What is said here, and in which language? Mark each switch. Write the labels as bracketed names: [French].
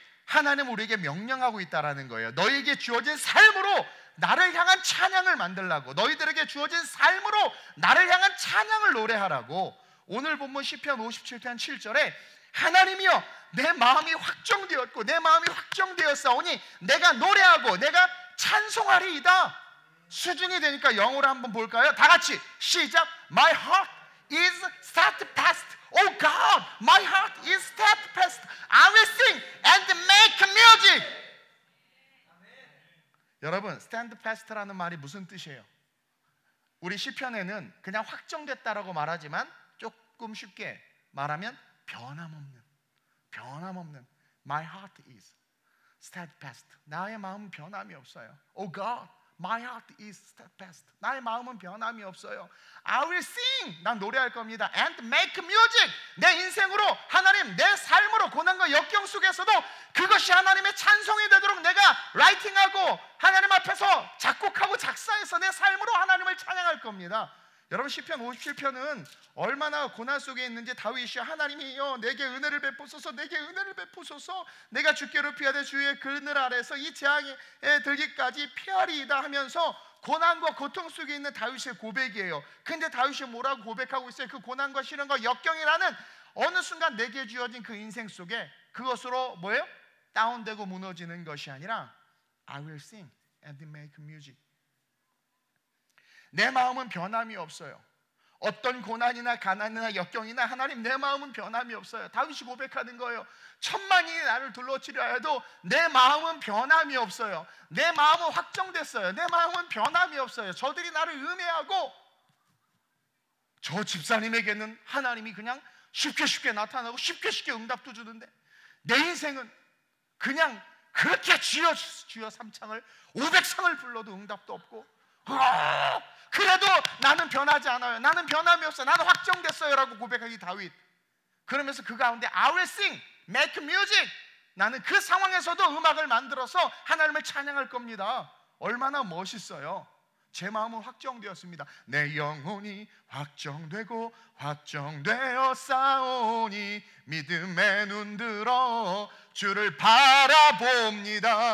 [Korean] 하나님 우리에게 명령하고 있다라는 거예요. 너희에게 주어진 삶으로 나를 향한 찬양을 만들라고, 너희들에게 주어진 삶으로 나를 향한 찬양을 노래하라고. 오늘 본문 시편 57편 7절에 하나님이여 내 마음이 확정되었고 내 마음이 확정되었사오니 내가 노래하고 내가 찬송하리이다. 수준이 되니까 영어로 한번 볼까요? 다 같이 시작. [English] My heart is steadfast. Oh God, my heart is steadfast. I will sing and make music. [Korean] 여러분, steadfast라는 말이 무슨 뜻이에요? 우리 시편에는 그냥 확정됐다라고 말하지만 조금 쉽게 말하면 변함없는, 변함없는. [English] My heart is steadfast. [Korean] 나의 마음은 변함이 없어요. [English] Oh God, my heart is steadfast. [Korean] 나의 마음은 변함이 없어요. [English] I will sing. [Korean] 난 노래할 겁니다. [English] And make music. [Korean] 내 인생으로, 하나님, 내 삶으로, 고난과 역경 속에서도 그것이 하나님의 찬송이 되도록 내가 라이팅하고 하나님 앞에서 작곡하고 작사해서 내 삶으로 하나님을 찬양할 겁니다. 여러분, 시편 57편은 얼마나 고난 속에 있는지 다윗이 하나님이여 내게 은혜를 베푸소서, 내게 은혜를 베푸소서, 내가 주께로 피하되 주의 그늘 아래서 이 재앙에 들기까지 피하리이다 하면서 고난과 고통 속에 있는 다윗의 고백이에요. 근데 다윗이 뭐라고 고백하고 있어요? 그 고난과 시련과 역경이라는 어느 순간 내게 주어진 그 인생 속에 그것으로 뭐예요? 다운되고 무너지는 것이 아니라 [English] I will sing and make music. [Korean] 내 마음은 변함이 없어요. 어떤 고난이나 가난이나 역경이나 하나님 내 마음은 변함이 없어요. 다윗이 고백하는 거예요. 천만이 나를 둘러치려 해도 내 마음은 변함이 없어요. 내 마음은 확정됐어요. 내 마음은 변함이 없어요. 저들이 나를 음해하고 저 집사님에게는 하나님이 그냥 쉽게 쉽게 나타나고 쉽게 쉽게 응답도 주는데 내 인생은 그냥 그렇게 주여 주여 삼창을 500상을 불러도 응답도 없고 그래도 나는 변하지 않아요. 나는 변함이 없어요. 나는 확정됐어요 라고 고백하기 다윗. 그러면서 그 가운데 [English] I will sing, make music. [Korean] 나는 그 상황에서도 음악을 만들어서 하나님을 찬양할 겁니다. 얼마나 멋있어요. 제 마음은 확정되었습니다. 내 영혼이 확정되고 확정되었사오니 믿음의 눈 들어 주를 바라봅니다.